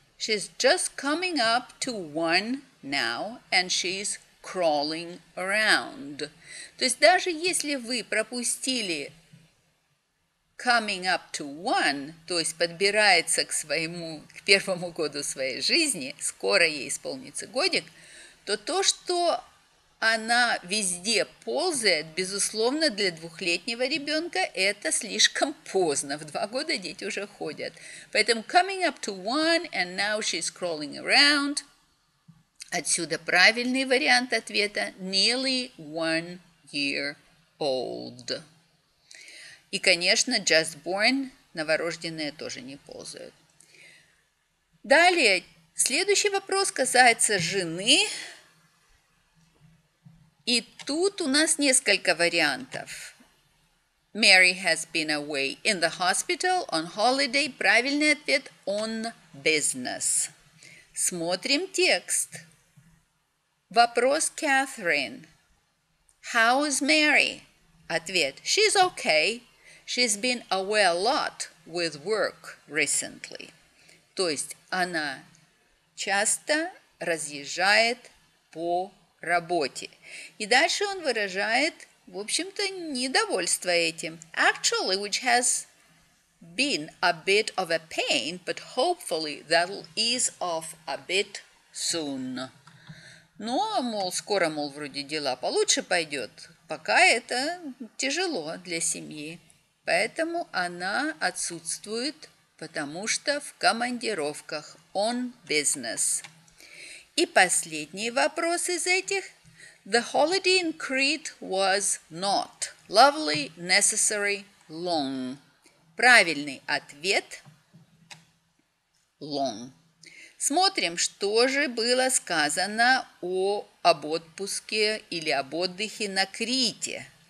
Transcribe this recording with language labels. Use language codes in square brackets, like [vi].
[en] She's just coming up to 1 now, and she's crawling around. [ru] То есть даже если вы пропустили [en] coming up to 1, [ru] то есть подбирается к своему, к первому году своей жизни, скоро ей исполнится годик, то, что она везде ползает, безусловно, для двухлетнего ребенка это слишком поздно. В 2 года дети уже ходят. Поэтому [en] coming up to 1 and now she's crawling around. [ru] Отсюда правильный вариант ответа [en] nearly 1 year old. [ru] И, конечно, [en] just born, [ru] новорожденные тоже не ползают. Далее, следующий вопрос касается жены. И тут у нас несколько вариантов. [en] Mary has been away in the hospital on holiday. [ru] Правильный ответ – [en] on business. [ru] Смотрим текст. Вопрос [en] Catherine. How is Mary? [ru] Ответ [en] – she's okay. She's been away a lot with work recently. [ru] То есть она часто разъезжает по работе. И дальше он выражает, в общем-то, недовольство этим. [en] Actually, which has been a bit of a pain, but hopefully that'll ease off a bit soon. [ru] Но, мол, скоро, мол, вроде дела получше пойдет. Пока это тяжело для семьи. Поэтому она отсутствует, потому что в командировках [en] on business. [ru] И последний вопрос из этих. [en] The holiday in Crete was not lovely, necessary, long. [ru] Правильный ответ – long. Смотрим, что же было сказано об отпуске или об отдыхе на Крите.